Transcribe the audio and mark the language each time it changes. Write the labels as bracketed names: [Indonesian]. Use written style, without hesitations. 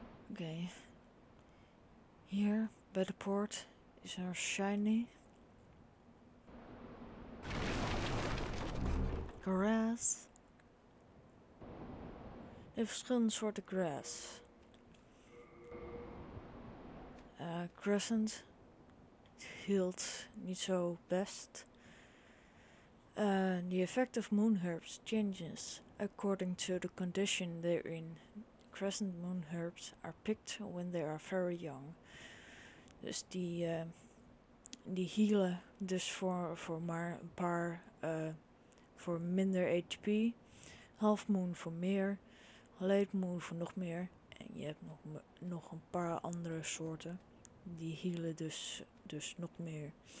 [Dutch] Oké, hier bij de poort is er shiny grass. Er zijn verschillende soorten grass. Crescent hield niet zo best. [English] The effect of moon herbs changes according to the condition they're in. Crescent moon herbs are picked when they are very young. [Dutch] Dus die healen dus voor maar een paar voor minder HP. Half moon voor meer. Late moon voor nog meer. En je hebt nog een paar andere soorten. Die healen dus nog meer.